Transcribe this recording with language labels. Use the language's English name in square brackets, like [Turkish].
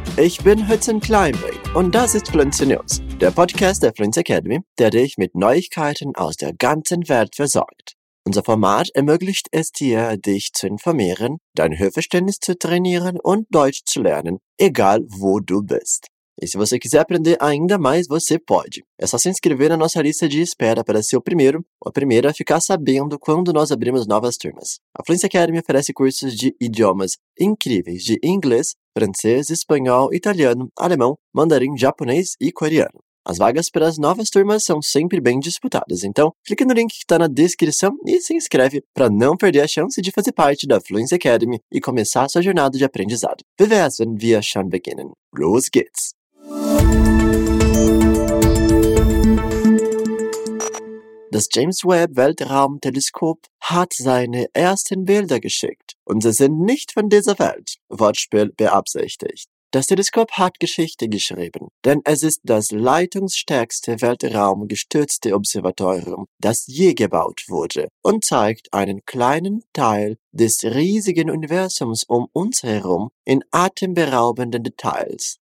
[German] Ich bin Hudson Kleinbrink und das ist Flinze News, der Podcast der Flinze Academy, der dich mit Neuigkeiten aus der ganzen Welt versorgt. Unser Format ermöglicht es dir, dich zu informieren, dein Hörverständnis zu trainieren und Deutsch zu lernen, egal wo du bist. [Portuguese] E se você quiser aprender ainda mais, você pode. É só se inscrever na nossa lista de espera para ser o primeiro ou a primeira a ficar sabendo quando nós abrimos novas turmas. A Fluency Academy oferece cursos de idiomas incríveis de inglês, francês, espanhol, italiano, alemão, mandarim, japonês e coreano. As vagas para as novas turmas são sempre bem disputadas, então clique no link que está na descrição e se inscreve para não perder a chance de fazer parte da Fluency Academy e começar a sua jornada de aprendizado. [German] Vive as wenn wir schon beginnen. Los geht's! Das James Webb Weltraumteleskop hat seine ersten Bilder geschickt und sie sind nicht von dieser Welt. Wortspiel beabsichtigt. Das Teleskop hat Geschichte geschrieben, denn es ist das leitungsstärkste weltraumgestützte Observatorium, das je gebaut wurde, und zeigt einen kleinen Teil des riesigen Universums um uns herum in atemberaubenden Details.